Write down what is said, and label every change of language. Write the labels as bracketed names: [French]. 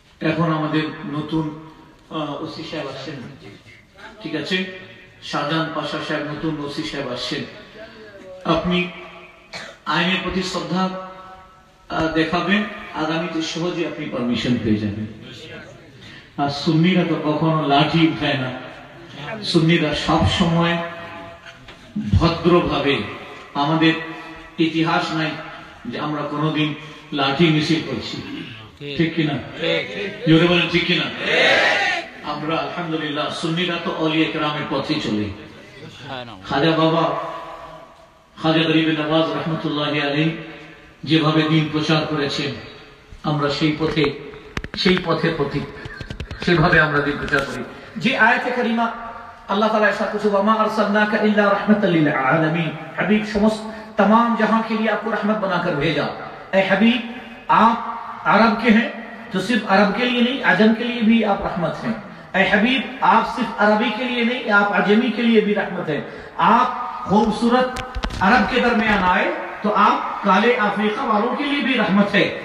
[Bangla] এখন আমাদের নতুন ওসি সাহেব আসছেন, ঠিক আছে, শাহজাহান পাশা সাহেব নতুন ওসি সাহেব আসছেন, আপনি আইনের প্রতি শ্রদ্ধা দেখাবেন, আগামীতে সহজে আপনি পারমিশন পেয়ে যাবেন. আর সুন্নিরা তো কখনো লাঠি উঠায় না, সুন্নিরা সবসময় ভদ্রভাবে, আমাদের ইতিহাস নাই যে আমরা কোনোদিন লাঠি মিছিল করছি, ঠিক কিনা? জোরে বলেন ঠিক কিনা? আমরা আলহামদুলিল্লাহ সুন্নিরা তো অলি একরামের পথে চলি. খাজা বাবা খাজা গরিব নওয়াজ রহমতুল্লাহ আলাইহি যেভাবে দিন প্রচার করেছেন আমরা সেই পথে, সেই পথের পথে সেভাবে আমরা দিন প্রচার করি. যে আয়াতে কারিমা আল্লাহ তাআলা ইরশাদ করেছেন [Arabic] ওয়া মা আরসালনাকা ইল্লা রাহমাতাল লিল আলামিন, [Bangla] হাবিব সমস্ত [Urdu] تمام جہاں کے لیے آپ کو رحمت بنا کر بھیجا. اے حبیب آپ عرب کے ہیں تو صرف عرب کے لیے نہیں عجم کے لیے بھی آپ رحمت ہیں. اے حبیب آپ صرف عربی کے لیے نہیں آپ عجمی کے لیے بھی رحمت ہیں. آپ خوبصورت عرب کے درمیان آئے تو آپ کالے افریقہ والوں کے لیے بھی رحمت ہے.